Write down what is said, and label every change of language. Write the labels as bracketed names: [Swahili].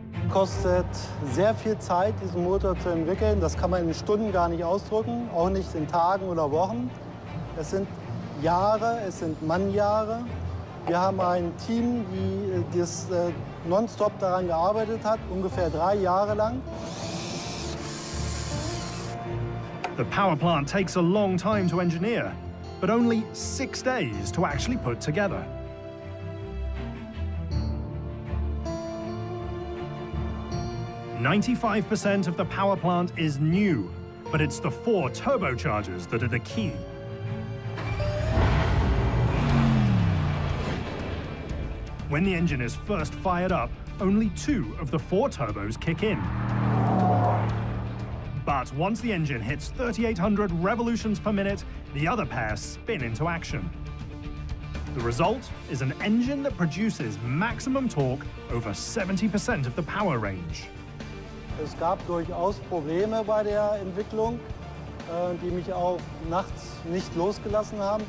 [German] Kostet sehr viel Zeit, diesen Motor zu entwickeln. Das kann man in Stunden gar nicht ausdrücken, auch nicht in Tagen oder Wochen. Es sind Jahre, es sind Mannjahre. Wir haben ein Team, das nonstop daran gearbeitet hat, ungefähr 3 Jahre lang. [English] The power plant takes a long time to engineer, but only 6 days to actually put together. ...95% of the power plant is new, but it's the 4 turbochargers that are the key. When the engine is first fired up, only 2 of the 4 turbos kick in. But once the engine hits 3,800 revolutions per minute, the other pair spin into action. The result is an engine that produces maximum torque over 70% of the power range. [German] Es gab durchaus Probleme bei der Entwicklung, die mich auch nachts nicht losgelassen haben.